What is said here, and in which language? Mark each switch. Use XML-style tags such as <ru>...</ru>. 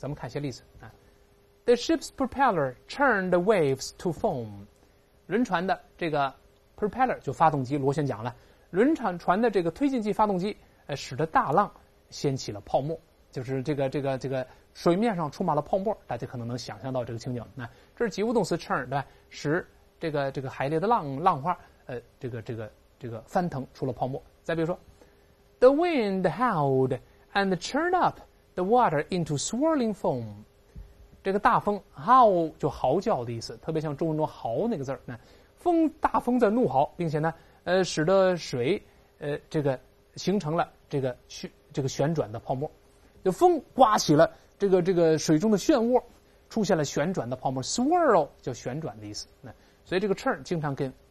<zh>咱们看一些例子啊 ，</zh> <en>The ship's propeller churned the waves to foam，</en> <zh>轮船的这个 propeller 就发动机螺旋桨了，轮船的这个推进剂发动机。使得大浪掀起了泡沫，就是这个水面上充满了泡沫，大家可能能想象到这个情景。那这是及物动词 churn， 对吧？使这个海里的浪花，这个翻腾出了泡沫。再比如说</zh> <en>，the wind howled and churned up the water into swirling foam。</en> <zh>这个大风 howl 就嚎叫的意思，特别像中文中嚎那个字儿。那风大风在怒嚎，并且呢，使得水形成了这个旋转的泡沫，就风刮起了这个水中的漩涡，出现了旋转的泡沫 ，swirl 叫旋转的意思。那所以这个 churn 经常跟</zh>